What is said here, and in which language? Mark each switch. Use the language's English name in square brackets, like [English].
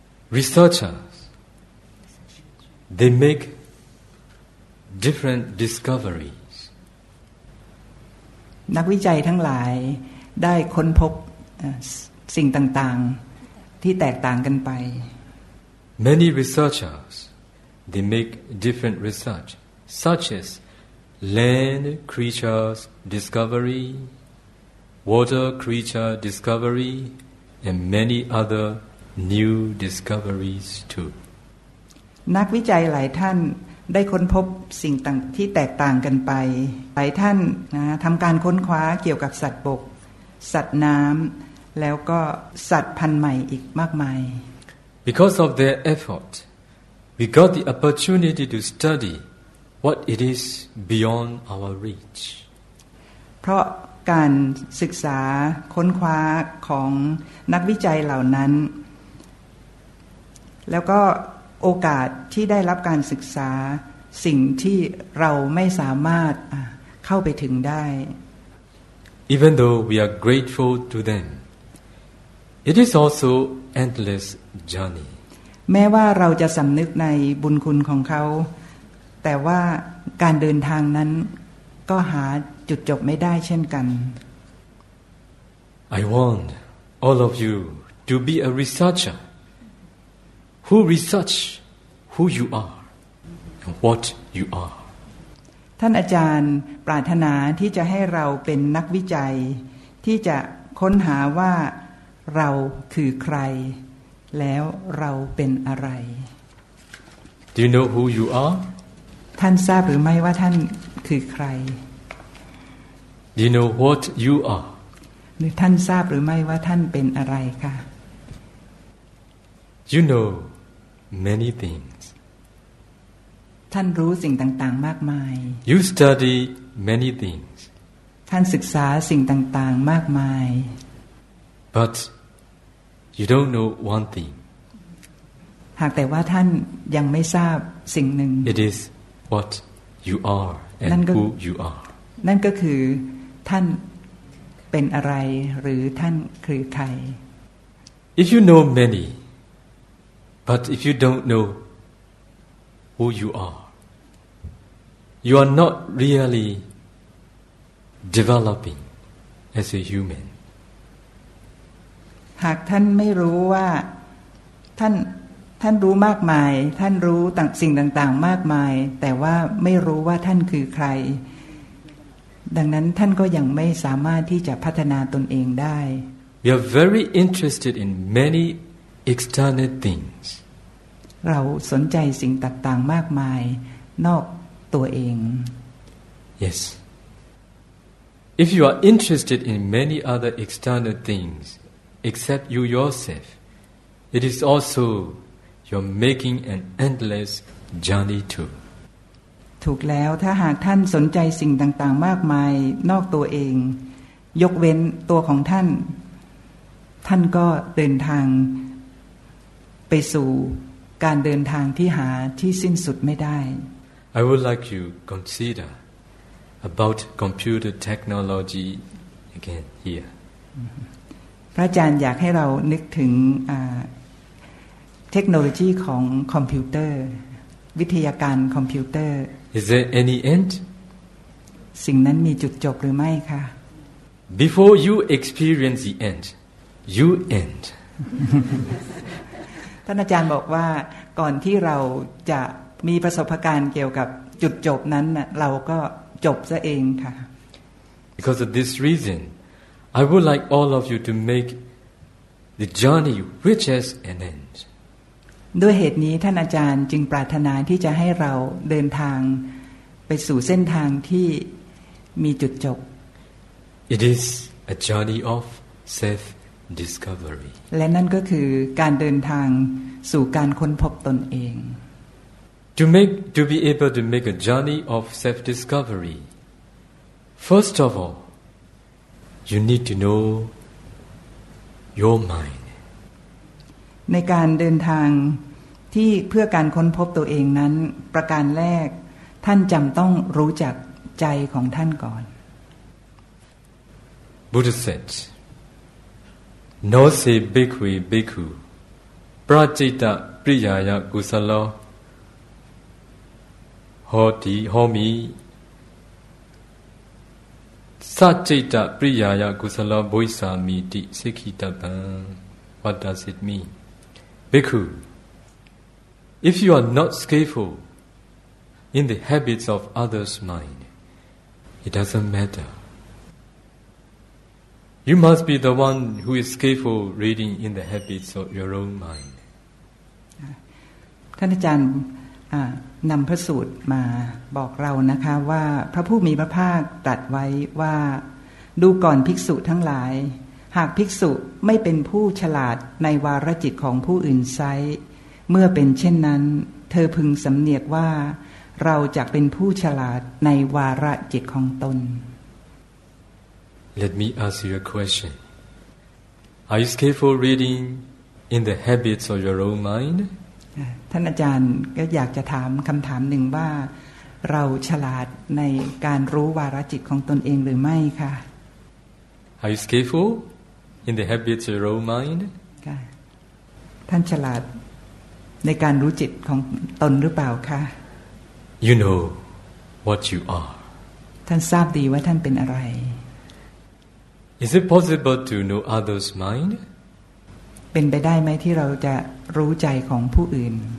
[English] Researchers, they make different discoveries. [Thai] นักวิจัยทั้งหลายได้ค้นพบสิ่งต่างๆที่แตกต่างกันไป [English] Many researchers they make different research such as land creatures discovery water creature discovery and many other new discoveries too [Thai] นักวิจัยหลายท่านได้ค้นพบสิ่งต่างที่แตกต่างกันไปหลายท่านนะทำการค้นคว้าเกี่ยวกับสัตว์บกสัตว์น้ำแล้วก็สัตว์พันธุ์ใหม่อีกมากมาย [English] Because of their effort we got the opportunity to study what it is beyond our reach [Thai] เพราะการศึกษาค้นคว้าของนักวิจัยเหล่านั้นแล้วก็โอกาสที่ได้รับการศึกษาสิ่งที่เราไม่สามารถเข้าไปถึงได้ [English] Even though we are grateful to them it is also endless journey [Thai] แม้ว่าเราจะสำนึกในบุญคุณของเขาแต่ว่าการเดินทางนั้นก็หาจุดจบไม่ได้เช่นกัน [English] I want all of you to be a researcherWho research who you are and what you are [Thai] ท่านอาจารย์ปรารถนาที่จะให้เราเป็นนักวิจัยที่จะค้นหาว่าเราคือใครแล้วเราเป็นอะไร [English] Do you know who you are [Thai] ท่านทราบหรือไม่ว่าท่านคือใคร [English] Do you know what you are [Thai] ท่านทราบหรือไม่ว่าท่านเป็นอะไรคะ [English] You know many things. [Thai] ท่านรู้สิ่งต่างๆมากมาย [English] You study many things. [Thai] ท่านศึกษาสิ่งต่างๆมากมาย [English] But you don't know one thing. [Thai] หากแต่ว่าท่านยังไม่ทราบสิ่งหนึ่ง [English] It is what you are and who you are. [Thai] นั่นก็คือท่านเป็นอะไรหรือท่านคือใคร [English] If you know manyBut if you don't know who you are not really developing as a human. [Thai] หากท่านไม่รู้ว่าท่านรู้มากมายท่านรู้ต่างสิ่งต่างๆมากมายแต่ว่าไม่รู้ว่าท่านคือใครดังนั้นท่านก็ยังไม่สามารถที่จะพัฒนาตนเองได้ [English] We are very interested in many external things. [Thai] เราสนใจสิ่งต่างๆมากมายนอกตัวเอง [English] Yes If you are interested in many other external things except you yourself it is also you're making an endless journey too [Thai] ถูกแล้วถ้าหากท่านสนใจสิ่งต่างๆมากมายนอกตัวเองยกเว้นตัวของท่านท่านก็เดินทางไปสู่การเดินทางที่หาที่สิ้นสุดไม่ได้ [English] I would like you consider about computer technology again here [Thai] พระอาจารย์อยากให้เรานึกถึงเทคโนโลยีของคอมพิวเตอร์วิทยาการคอมพิวเตอร์ [English] Is there any end [Thai] สิ่งนั้นมีจุดจบหรือไม่คะ [English] Before you experience the end you end [Thai] ท่านอาจารย์บอกว่าก่อนที่เราจะมีประสบการณ์เกี่ยวกับจุดจบนั้นเราก็จบซะเองค่ะ [English] Because of this reason I would like all of you to make the journey which has an end. [Thai] ด้วยเหตุนี้ท่านอาจารย์จึงปรารถนาที่จะให้เราเดินทางไปสู่เส้นทางที่มีจุดจบ [English] It is a journey of self-discovery. [Thai] และนั่นก็คือการเดินทางสู่การค้นพบตนเอง [English] to be able to make a journey of self discovery first of all you need to know your mind [Thai] ในการเดินทางที่เพื่อการค้นพบตัวเองนั้นประการแรกท่านจำต้องรู้จักใจของท่านก่อน [English] Buddha said [Pali] no se bhikkhu bhikkhu prajita priyaya kusalaHoti homi Satchita priyaya kusala boisa miti sikhitabhan [English] What does it mean? Bhikkhu, if you are not skillful in the habits of others' mind, it doesn't matter. You must be the one who is skillful reading in the habits of your own mind. [Thai] Thana Chan, นำพระสูตรมาบอกเรานะคะว่าพระผู้มีพระภาคตรัสไว้ว่าดูก่อนภิกษุทั้งหลายหากภิกษุไม่เป็นผู้ฉลาดในวาระจิตของผู้อื่นไซเมื่อเป็นเช่นนั้นเธอพึงสำเนียกว่าเราจะเป็นผู้ฉลาดในวาระจิตของตน [English] Let me ask you a question Are you skillful reading in the habits of your own mind [Thai] ท่านอาจารย์ก็อยากจะถามคำถามหนึ่งว่าเราฉลาดในการรู้วาระจิตของตนเองหรือไม่คะ [English] Are you skillful in the habits of your own mind? [Thai] ท่านฉลาดในการรู้จิตของตนหรือเปล่าคะ [English] You know what you are. [Thai] ท่านทราบดีว่าท่านเป็นอะไร [English] Is it possible to know others' mind? [Thai] เป็นไปได้ไหมที่เราจะรู้ใจของผู้อื่น